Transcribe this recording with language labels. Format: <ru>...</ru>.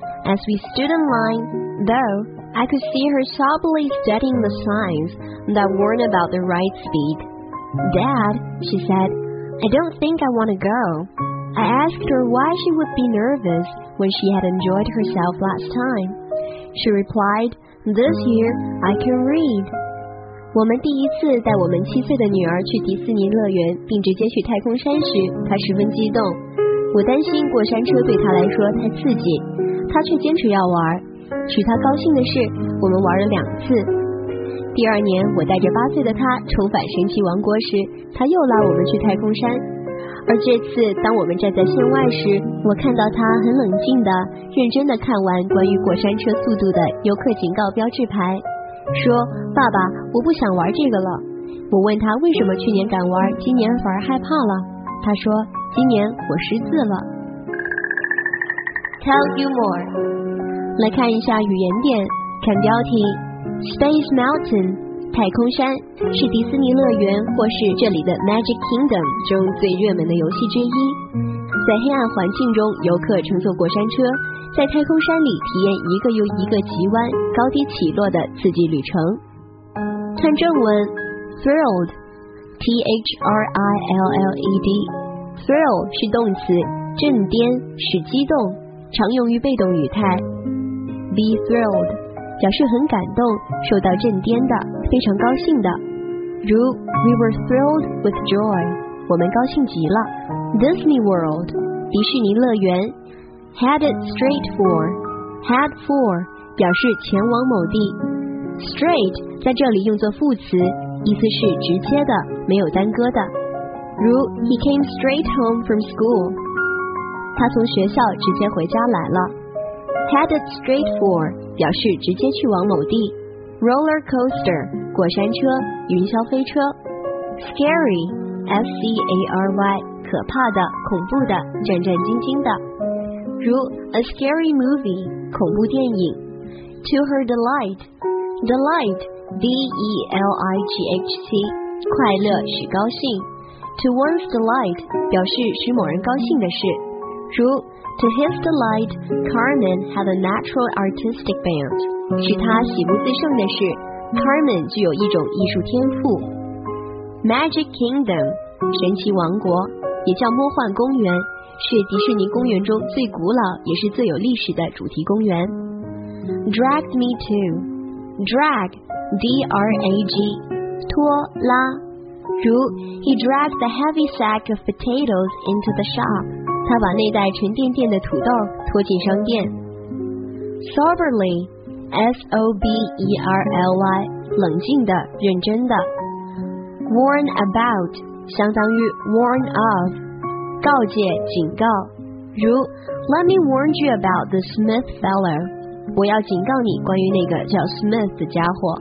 <en>As we stood in line, though, I could see her sobbily studying the signs that warned about the ride speed. Dad, she said, I don't think I want to go. I asked her why she would be nervous when she had enjoyed herself last time. She replied, This year, I can read.</en> <zh>我们第一次带我们七岁的女儿去迪士尼乐园并直接去太空山时，她十分激动。我担心过山车对她来说太刺激，她却坚持要玩。使她高兴的是，我们玩了两次。第二年，我带着八岁的她重返神奇王国时，她又拉我们去太空山。而这次当我们站在线外时，我看到他很冷静地认真地看完关于过山车速度的游客警告标志牌，说爸爸我不想玩这个了。我问他为什么去年敢玩，今年反而害怕了。他说今年我识字了。</zh> <en>Tell you more，</en> <zh>来看一下语言点。看标题， Space Mountain太空山是迪士尼乐园或是这里的 Magic Kingdom 中最热门的游戏之一。在黑暗环境中，游客乘坐过山车，在太空山里体验一个又一个急弯、高低起落的刺激旅程。看正文 ，thrilled， T H R I L L E D， thrill 是动词，震颠，使激动，常用于被动语态。 Be thrilled 表示很感动，受到震颠的。非常高兴的，如</zh> <en>We were thrilled with joy，</en> <zh>我们高兴极了。 Disney World， 迪士尼乐园。 Headed straight for，head for 表示前往某地。 Straight 在这里用作副词，意思是直接的，没有耽搁的。如</zh> <en>He came straight home from school，</en> <zh>他从学校直接回家来了。 Headed straight for 表示直接去往某地。Roller coaster 过山车，云霄飞车。 Scary S-C-A-R-Y 可怕的，恐怖的，战战兢兢的。如</zh> <en>A scary movie</en> <zh>恐怖电影。 To her delight， Delight D-E-L-I-G-H-T 快乐，使高兴。 To one's delight 表示使某人高兴的事。如</zh> <en>To his delight Carmen had a natural artistic bent，</en> <zh>使他喜不自胜的是 Carmen 具有一种艺术天赋。 Magic Kingdom 神奇王国，也叫魔幻公园，是迪士尼公园中最古老也是最有历史的主题公园。 Dragged me to， Drag D-R-A-G 拖拉，如</zh> <en>He dragged the heavy sack of potatoes into the shop，</en> <zh>他把那袋沉甸甸的土豆拖进商店。 SoberlySOBERLY 冷静的，认真的。 Warn about 相当于 warn of， 告诫，警告。如</zh> <en>Let me warn you about the Smith fellow，</en> <zh>我要警告你关于那个叫 Smith 的家伙。</zh>